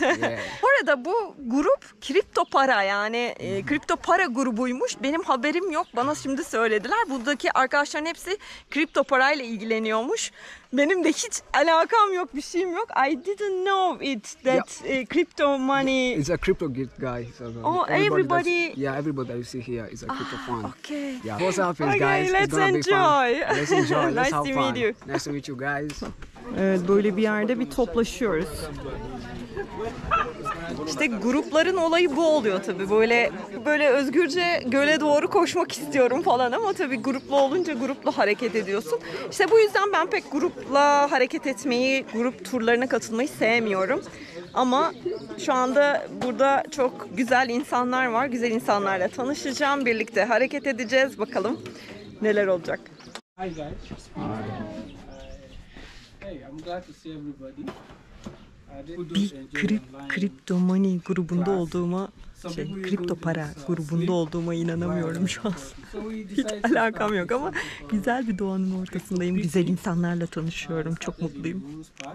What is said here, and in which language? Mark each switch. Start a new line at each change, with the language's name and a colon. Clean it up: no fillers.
Turkish: Bu arada bu grup kripto para, yani kripto para grubuymuş. Benim haberim yok. Bana şimdi söylediler. Buradaki arkadaşların hepsi kripto parayla ilgileniyormuş. Benim de hiç alakam yok, bir şeyim yok.
English: I didn't know it that crypto money. It's a crypto geek guy. So oh, everybody. Yeah, everybody that you see here is a crypto fan. Okay. Yeah, what's happening, okay, guys? Let's enjoy. Let's enjoy. Let's nice to meet you. Nice to meet you guys.
Turkish: Evet, böyle bir yerde bir toplaşıyoruz. İşte grupların olayı bu oluyor tabii. Böyle özgürce göle doğru koşmak istiyorum falan, ama tabii gruplu olunca gruplu hareket ediyorsun. İşte bu yüzden ben pek grupla hareket etmeyi, grup turlarına katılmayı sevmiyorum. Ama şu anda burada çok güzel insanlar var. Güzel insanlarla tanışacağım, birlikte hareket edeceğiz. Bakalım neler olacak.
English: Hi guys. Hey, I'm glad to see everybody.
Turkish: Bir kripto money grubunda olduğuma, kripto para grubunda olduğuma inanamıyorum şu an. Hiç alakam yok ama güzel bir doğanın ortasındayım. Güzel insanlarla tanışıyorum. Çok mutluyum.